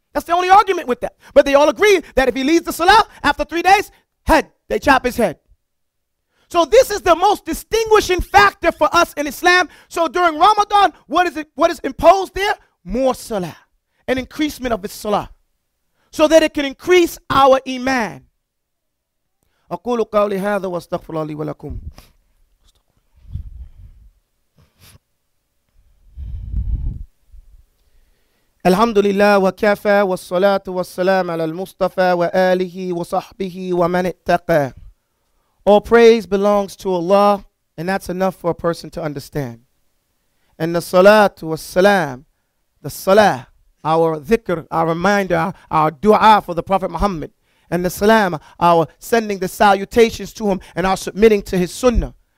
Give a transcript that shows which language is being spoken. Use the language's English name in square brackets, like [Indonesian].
[English] That's the only argument with that. But they all agree that if he leads the salah after 3 days, head, they chop his head. So this is the most distinguishing factor for us in Islam. So during Ramadan, what is it? What is imposed there? More salah, an increasement of its salah, so that it can increase our iman. [Arabic] أقول قولي هذا واستغفر لي ولكم. الحمد لله وكفى والصلاة والسلام على المصطفى وآله وصحبه ومن اتقى. [English] All praise belongs to Allah, and that's enough for a person to understand. And the salatu wassalam, the salah, our dhikr, our reminder, our dua for the Prophet Muhammad, and the salam, our sending the salutations to him and our submitting to his sunnah.